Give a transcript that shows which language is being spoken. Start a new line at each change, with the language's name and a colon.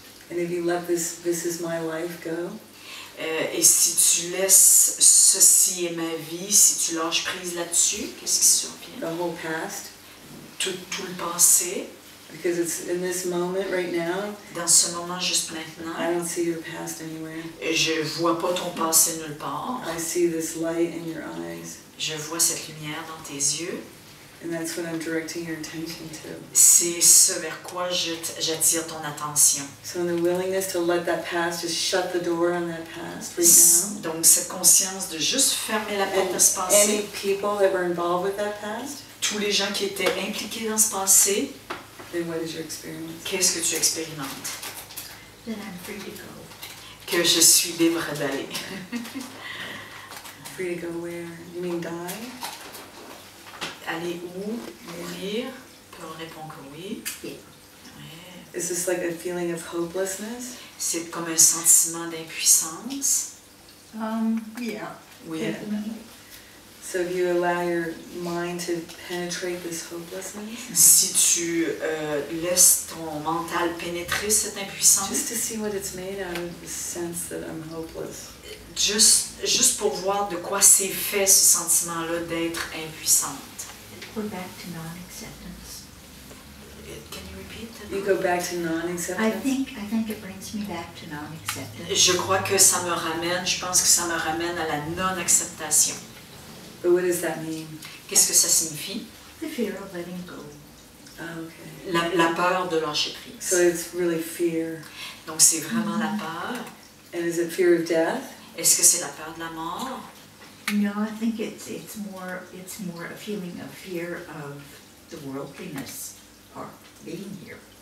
English: And if you let this is my life go.
French: Et si tu laisses ceci est ma vie, si tu lâches prise là-dessus, qu'est-ce qui survient?
English: The whole past.
French: Tout le passé.
English: Because it's in this moment right now.
French: Dans ce moment juste maintenant.
English: I don't see your past anywhere.
French: Et je vois pas ton passé nulle part.
English: I see this light in your eyes.
French: Je vois cette lumière dans tes yeux.
English: And that's what I'm directing your attention to.
French: C'est ce vers quoi j'attire ton attention.
English: So in the willingness to let that past, just shut the door on that past right now.
French: Donc cette conscience de juste fermer la porte à ce passé.
English: Any people that were involved with that past.
French: Tous les gens qui étaient impliqués dans ce passé.
English: Then what is your experience?
French: Qu'est-ce que tu expérimentes?
English: Then I'm free to go.
French: Que je suis libre d'aller.
English: Free to go where? You mean die?
French: Aller où? Mourir? Peut on répondre que oui.
English: Yeah. Is this like a feeling of hopelessness?
French: C'est comme un sentiment d'impuissance?
English: Yeah.
French: Oui.
English: So if you allow your mind to penetrate this hopelessness,
French: si tu laisses ton mental pénétrer cette impuissance,
English: just to see what it's made out of, the sense that I'm hopeless,
French: juste pour voir de quoi c'est fait ce sentiment-là d'être impuissante,
English: we're back to non-acceptance. Can you repeat that? You go back to non-acceptance. I think it brings me back to non-acceptance.
French: Je crois que ça me ramène. Je pense que ça me ramène à la non-acceptation.
English: But what does that mean?
French: Qu'est-ce que ça signifie?
English: The fear of letting go. Oh, okay.
French: La peur de lâcher prise.
English: So it's really fear.
French: Donc c'est vraiment la peur.
English: And is it fear of death?
French: Est-ce que c'est la peur de la mort?
English: No, I think it's more a feeling of fear of the worldliness part, being here.